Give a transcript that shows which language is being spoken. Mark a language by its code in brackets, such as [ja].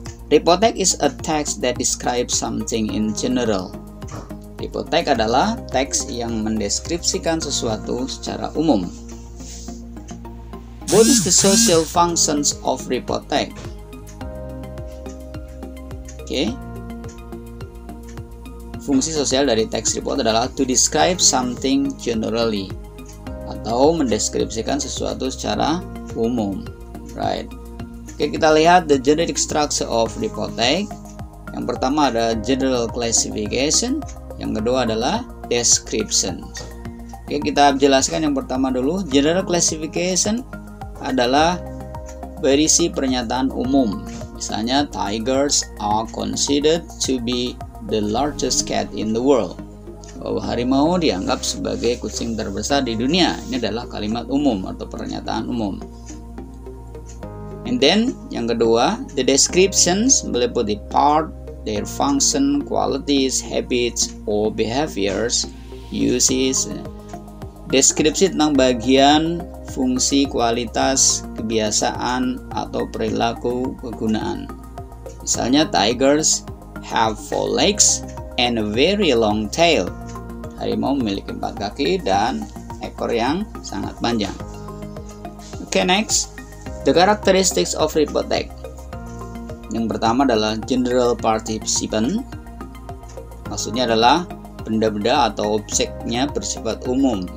[en] Report text is a text that describes something in general. [id] Report text adalah teks yang mendeskripsikan sesuatu secara umum. [en] What is the social functions of report text? Okay. [id] Fungsi sosial dari teks report adalah [en] to describe something generally [id] atau mendeskripsikan sesuatu secara umum. Right. Oke, kita lihat [en] the generic structure of report tag. [id] Yang pertama ada general classification, yang kedua adalah description. Oke, kita jelaskan yang pertama dulu. General classification adalah berisi pernyataan umum. [en] Misalnya tigers are considered to be the largest cat in the world. [id] Bahwa harimau dianggap sebagai kucing terbesar di dunia. Ini adalah kalimat umum atau pernyataan umum. [en] And then, [id] yang kedua, [en] the descriptions meliputi part, their function, qualities, habits, or behaviors, uses. [id] Deskripsi tentang bagian, fungsi, kualitas, kebiasaan, atau perilaku kegunaan. [en] Misalnya, tigers have 4 legs and a very long tail. [id] Harimau memiliki 4 kaki dan ekor yang sangat panjang. [en] Okay, next. The characteristics of report tag. [id] Yang pertama adalah [en] general participant. [id] Maksudnya adalah benda-benda atau objeknya bersifat umum.